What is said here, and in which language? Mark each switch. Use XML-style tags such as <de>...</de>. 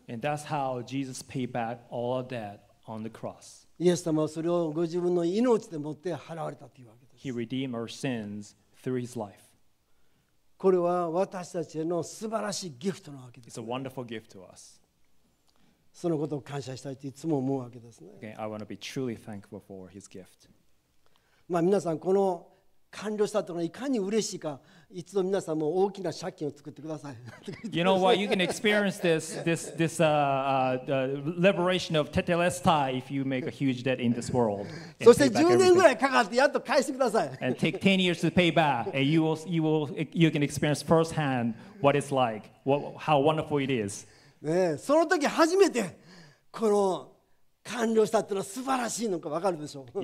<en>And that's how Jesus paid back all of that on the cross.</en> <ja>イエス様はそれをご自分の命でもって払われたというわけです。</ja> <en>He redeemed our sins through his life.</en> <ja>これは私たちへの素晴らしいギフトなわけです、ね。</ja> <en>It's a wonderful gift to us.</en> <ja>そのことを感謝したいといつも思うわけですね。</ja> <en>Okay, I want to be truly thankful for his gift.</en> <ja>まあ皆さん、この完了したというのはいかに嬉しいか。一度皆さんも大きな借金を作ってください。</ja> <en>You know what? You can experience this liberation of tetelestai if you make a huge debt in this world.</en> <ja>そして10年ぐらいかかってやっと返してください。</ja> <en>And take 10 years to pay back, and you can experience firsthand what it's like, how wonderful it is.</en> <ja>ねえ、その時初めてこの完了したというのは素晴らしいのかわかるでしょう。</ja>